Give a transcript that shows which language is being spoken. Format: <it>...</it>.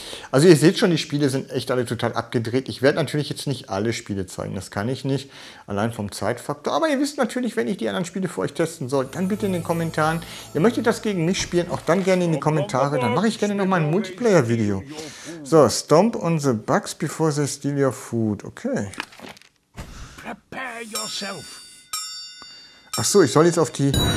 <de>Also ihr seht schon, die Spiele sind echt alle total abgedreht. Ich werde natürlich jetzt nicht alle Spiele zeigen, das kann ich nicht, allein vom Zeitfaktor. Aber ihr wisst natürlich, wenn ich die anderen Spiele für euch testen soll, dann bitte in den Kommentaren. Ihr möchtet das gegen mich spielen, auch dann gerne in die Kommentare, dann mache ich gerne nochmal ein Multiplayer-Video.</de> <en>So, Stomp on the Bugs before they steal your food. Okay. Prepare yourself.</en> <de>Ach so, ich soll jetzt auf die...</de>